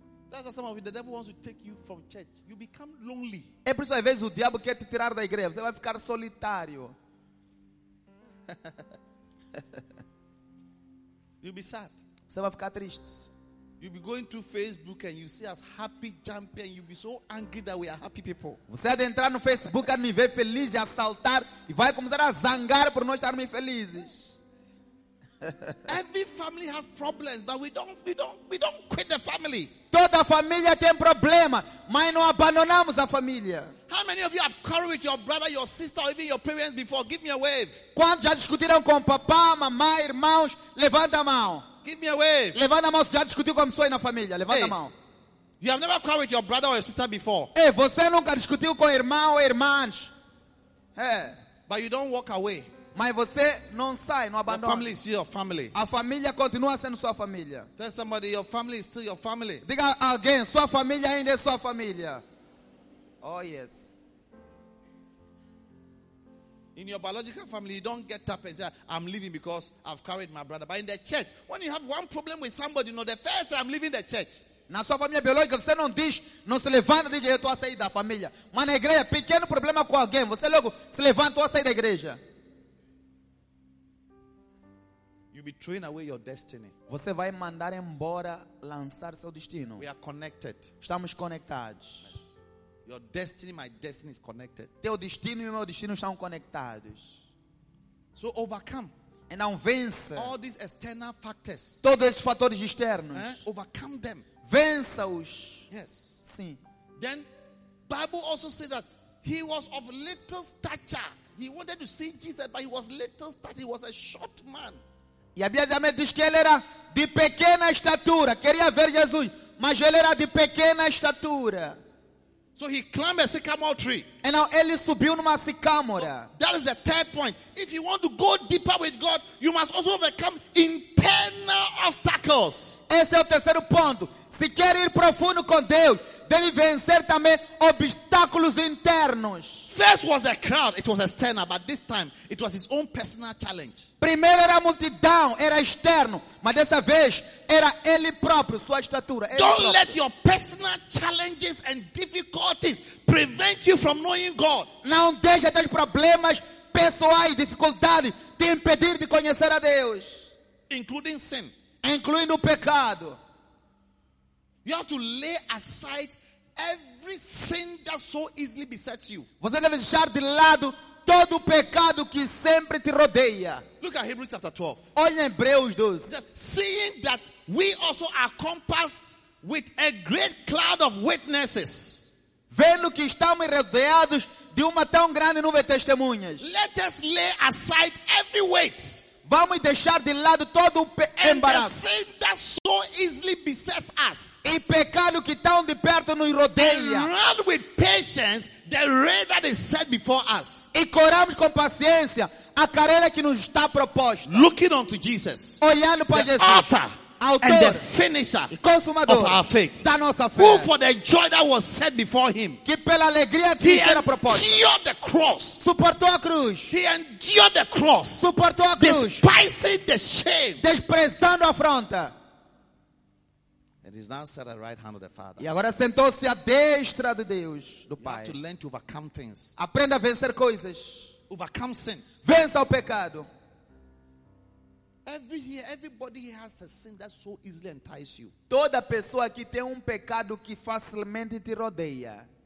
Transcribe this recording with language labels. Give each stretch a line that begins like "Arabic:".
English: That's what some of you, the devil wants to take you from church. You become lonely.
Portuguese: É por isso, às vezes, o diabo quer te tirar da igreja. Você vai ficar solitário.
English: You'll be sad.
Portuguese: Você vai ficar triste.
English: You'll be going to Facebook and you see us happy jumping and you'll be so angry that we are happy people.
Portuguese: Você vai entrar no Facebook e me ver feliz e a saltar e vai começar a zangar por nós estarmos felizes.
English: Every family has problems, but we don't quit the family.
Portuguese: Toda família tem problema, mas não abandonamos a família.
English: How many of you have quarreled with your brother, your sister, or even your parents before? Give me a wave.
Portuguese: Quantos já discutiram com papá, mamãe, irmãos? Levanta a mão.
English: Give me a wave.
Portuguese: Levanta a mão se já discutiu com pessoas na família. Levanta a mão.
English: You have never quarreled with your brother or your sister before.
Portuguese: Ei, você nunca discutiu com irmão ou irmãs?
English: But you don't walk away.
Portuguese: Mas você não sai, não abandona.
English: Your family is your family.
Portuguese: A família continua sendo sua família.
English: Tell somebody, your family is still your family.
Portuguese: Diga alguém, sua família ainda é sua família.
English: Oh, yes. In your biological family, you don't get up and say, I'm leaving because I've carried my brother. But in the church, when you have one problem with somebody, you know, the first time I'm leaving the church.
Portuguese: Na sua família biológica, você não diz, não se levanta e diz, eu estou a sair da família. Mas na igreja, pequeno problema com alguém, você logo se levanta e sai da igreja.
English: Be throwing away your destiny.
Portuguese: Você vai mandar embora, lançar seu destino.
English: We are connected.
Portuguese: Estamos conectados.
English: Your destiny, my destiny is connected.
Portuguese: Teu destino e meu destino estão conectados.
English: So overcome.
Portuguese: E não vença.
English: All these external factors.
Portuguese: Todos esses fatores externos.
English: Overcome them.
Portuguese: Vença-os.
English: Yes.
Portuguese: Sim.
English: Then, Bible also says that he was of little stature. He wanted to see Jesus, but he was little stature. He was a short man.
Portuguese: E a Bíblia também diz que ele era de pequena estatura. Queria ver Jesus, mas ele era de pequena estatura.
English: So he climbed a sycamore tree.
Portuguese: E now ele subiu numa sicâmora.
English: So that is the third point. If you want to go deeper with God, you must also overcome internal obstacles.
Portuguese: Esse é o terceiro ponto. Se quer ir profundo com Deus, deve vencer também obstáculos internos.
English: First was the crowd, it was external, but this time it was his own personal challenge.
Portuguese: Primeiro era a multidão, era externo, mas dessa vez era ele próprio, sua estatura.
English: Don't
Portuguese: próprio.
English: Let your personal challenges and difficulties prevent you from knowing God.
Portuguese: Não deixe teus problemas pessoais, dificuldades te impedir de conhecer a Deus.
English: Including sin.
Portuguese: Incluindo o pecado.
English: You have to lay aside every sin that so easily besets you.
Portuguese: Você deve deixar de lado todo o pecado que sempre te rodeia.
English: Look at Hebrews chapter 12.
Portuguese: Olha em Hebreus 12.
English: Just seeing that we also are compassed with a great cloud of witnesses.
Portuguese: Vendo que estamos rodeados de uma tão grande nuvem de testemunhas.
English: Let us lay aside every weight.
Portuguese: Vamos deixar de lado todo o embaraço.
English: And the sin that so easily besets us.
Portuguese: E pecado que tão de perto nos rodeia.
English: And run with patience the race that is set before us.
Portuguese: E corramos com paciência a carreira que nos está proposta.
English: Looking unto Jesus.
Portuguese: Olhando para Jesus.
English: Author,
Portuguese: autor,
English: and the finisher,
Portuguese: e consumador
English: of our faith,
Portuguese: da nossa fé.
English: Who for the joy that was set before him.
Portuguese: Que pela alegria que
English: he
Portuguese: era proposta.
English: He endured the cross.
Portuguese: Suportou a cruz.
English: He endured the cross.
Portuguese: Suportou a cruz.
English: Despising the shame.
Portuguese: Desprezando a afronta.
English: And is now set at the right hand of the Father.
Portuguese: E agora sentou-se à destra de Deus, do Pai.
English: You have to learn to overcome things.
Portuguese: Aprenda a vencer coisas.
English: Overcome sin.
Portuguese: Vença o pecado.
English: Every year, everybody has a sin that so easily entices you.
Portuguese: Toda pessoa aqui tem pecado que facilmente te rodeia.